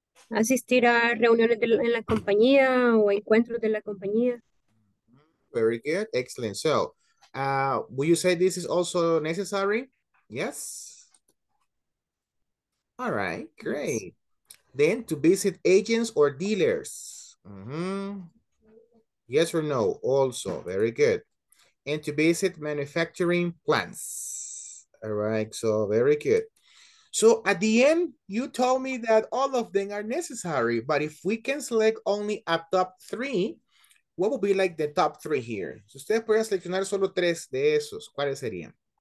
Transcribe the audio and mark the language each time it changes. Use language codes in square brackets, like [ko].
[es] Asistir a reuniones de, en la compañía o encuentros de la compañía. [en] Very good. Excellent. So, will you say this is also necessary? Yes. All right. Great. Yes. Then to visit agents or dealers. Yes or no? Also, very good. And to visit manufacturing plants. All right. So, very good. So, at the end, you told me that all of them are necessary. But if we can select only a top three, what would be like the top three here? [es] Si ustedes pueden seleccionar solo tres de esos, ¿cuáles serían?